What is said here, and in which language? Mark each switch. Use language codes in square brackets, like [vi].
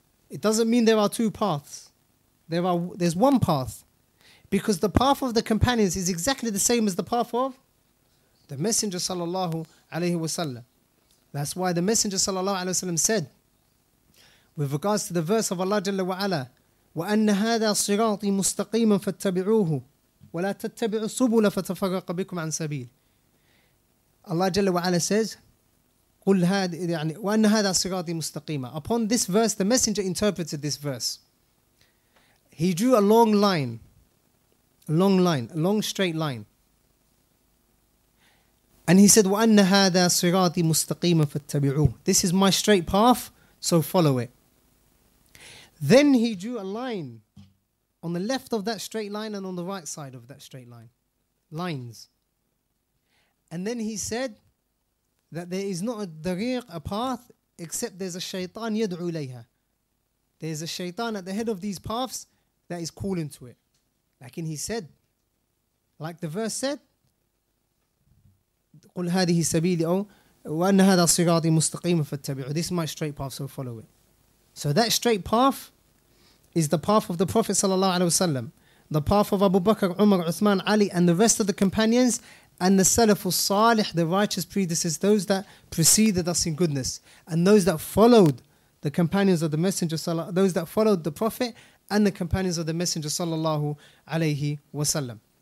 [en] It doesn't mean there are two paths. There's one path, because the path of the companions is exactly the same as the path of the Messenger sallallahu alaihi wasallam. That's why the Messenger sallallahu alaihi wasallam said, with regards to the verse of Allah jalla wa ala, [ar] وَأَنَّ هَذَا صِرَاطِي مُسْتَقِيمًا فَاتَّبِعُوهُ وَلَا تَتَّبِعُ السُّبُلَ فَتَفَرَّقَ بِكُمْ عَن سَبِيلِ. [en] Allah jalla wa ala says, [ar] قُلْ هَذِي يعني وَأَنَّ هَذَا صِرَاطِي مُسْتَقِيمًا. [en] Upon this verse, the Messenger interpreted this verse. He drew a long line, a long straight line. And he said, [ar] وَأَنَّ هَذَا صِرَاطِي مُسْتَقِيمًا فَاتَّبِعُوهُ. [en] This is my straight path, so follow it. Then he drew a line on the left of that straight line and on the right side of that straight line. Lines. And then he said that there is not a dariq, a path, except there's a shaytan [ar] yad'u layha. [en] There's a shaytan at the head of these paths that is calling to it. [ar] Lakin [en] he said, like the verse said, [ar] قُلْ هَذِهِ سَبِيلِ أَوْ وَأَنَّ هَذَا صِرَاطِ مُسْتَقِيمًا فَاتَّبِعُ. [en] This is my straight path, so follow it. So that straight path is the path of the Prophet sallallahu alaihi wasallam, the path of Abu Bakr, Umar, Uthman, Ali, and the rest of the companions, and the Salafus Salih, the righteous predecessors, those that preceded us in goodness, and those that followed the companions of the Messenger, those that followed the Prophet and the companions of the Messenger sallallahu alaihi wasallam.